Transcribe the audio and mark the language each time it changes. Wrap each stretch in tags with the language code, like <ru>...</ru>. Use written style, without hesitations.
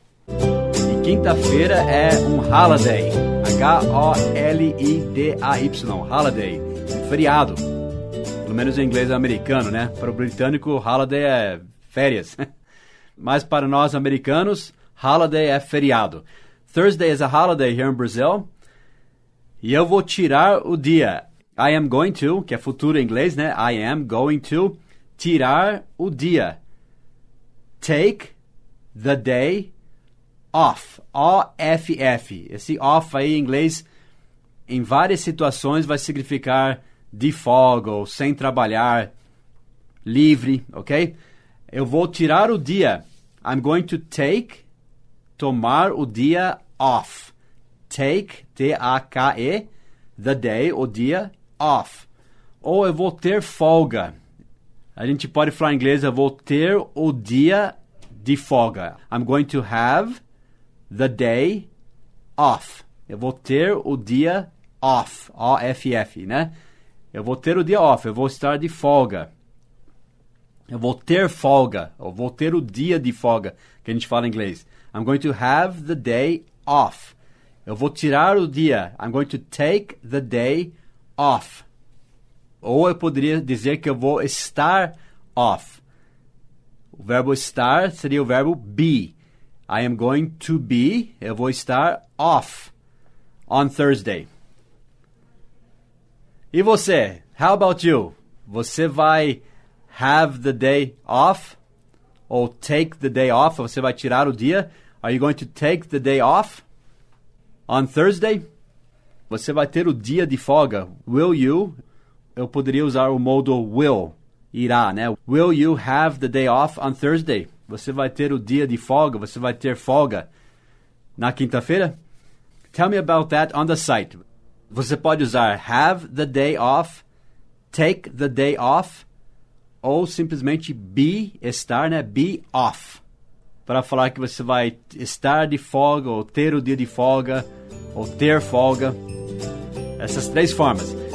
<pt>E quinta-feira é um holiday.</pt> <en>H-O-L-I-D-A-Y. Holiday. Feriado.</en> <pt>Pelo menos em inglês é americano, né? Para o britânico, holiday é férias. Mas para nós americanos, holiday é feriado.</pt> <en>Thursday is a holiday here in Brazil.</en> <pt>E eu vou tirar o dia.</pt> <en>I am going to,</en> <pt>que é futuro em inglês, né? I am going to tirar o dia.</pt> <en>Take the day off.</en> <pt>O-F-F. Esse off aí em inglês, em várias situações, vai significar de folga ou sem trabalhar, livre, ok? Eu vou tirar o dia.</pt> <en>I'm going to take,</en> <pt>tomar o dia</pt> <en>off. Take, T-A-K-E, the day, o dia, off.</en> <pt>Ou eu vou ter folga. A gente pode falar em inglês, eu vou ter o dia de folga.</pt> <en>I'm going to have the day off.</en> <pt>Eu vou ter o dia off. O-F-F, né? Eu vou ter o dia off. Eu vou estar de folga. Eu vou ter folga. Eu vou ter o dia de folga, que a gente fala em inglês.</pt> <en>I'm going to have the day off.</en> <pt>Eu vou tirar o dia.</pt> <en>I'm going to take the day off. Off.</en> <pt>Ou eu poderia dizer que eu vou estar off. O verbo estar seria o verbo be.</pt> <en>I am going to be.</en> <pt>Eu vou estar off</pt> <en>on Thursday.</en> <pt>E você?</pt> <en>How about you?</en> <pt>Você vai</pt> <en>have the day off?</en> <pt>Ou</pt> <en>take the day off?</en> <pt>Você vai tirar o dia?</pt> <en>Are you going to take the day off on Thursday?</en> <pt>Você vai ter o dia de folga?</pt> <en>Will you?</en> <pt>Eu poderia usar o modo will, irá, né?</pt> <en>Will you have the day off on Thursday?</en> <pt>Você vai ter o dia de folga? Você vai ter folga na quinta-feira?</pt> <en>Tell me about that on the site.</en> <pt>Você pode usar</pt> <en>have the day off, take the day off,</en> <pt>ou simplesmente be, estar, né?</pt> <en>Be off.</en> <pt>Para falar que você vai estar de folga, ou ter o dia de folga, ou ter folga. Essas três formas.</pt>